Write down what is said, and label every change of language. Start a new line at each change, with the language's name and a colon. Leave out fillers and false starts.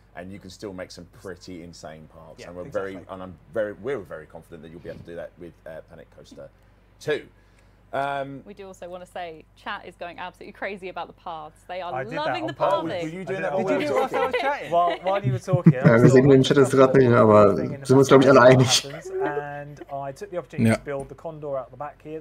English: and you can still make some pretty insane parts. Yeah, and we're exactly. very, and I'm very, we're very confident that you'll be able to do that with Panic Coaster 2. We do also want to say chat is going absolutely crazy about the paths. They are loving the paths. Were you doing that while we were talking? While you were talking.
German: Wir sehen den Chat jetzt gerade nicht, aber sind uns glaube ich alle einig.
English: And I took the opportunity to build the condor out the back here.